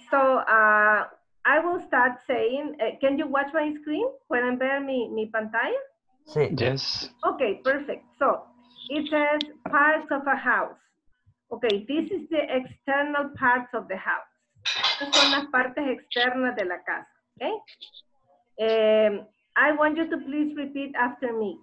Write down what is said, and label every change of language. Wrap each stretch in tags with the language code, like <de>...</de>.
<en>So, I will start saying, can you watch my screen?</en> <es>¿Pueden ver mi pantalla? Sí.</es> <en>Yes. Okay, perfect. So, it says parts of a house. Okay, this is the external parts of the house.</en> <es>Estas son las partes externas de la casa, okay?</es> <en>I want you to please repeat after me.</en>